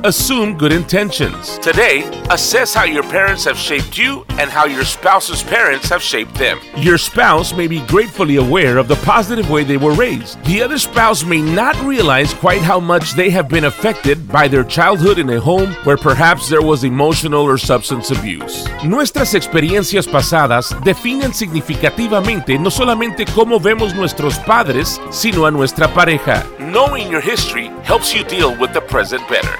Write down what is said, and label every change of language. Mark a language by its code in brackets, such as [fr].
[en] Assume good intentions. Today, assess how your parents have shaped you and how your spouse's parents have shaped them. Your spouse may be gratefully aware of the positive way they were raised. The other spouse may not realize quite how much they have been affected by their childhood in a home where perhaps there was emotional or substance abuse. [es] Nuestras experiencias pasadas definen significativamente no solamente cómo vemos nuestros padres, sino a nuestra pareja. [en] Knowing your history helps you deal with the present better.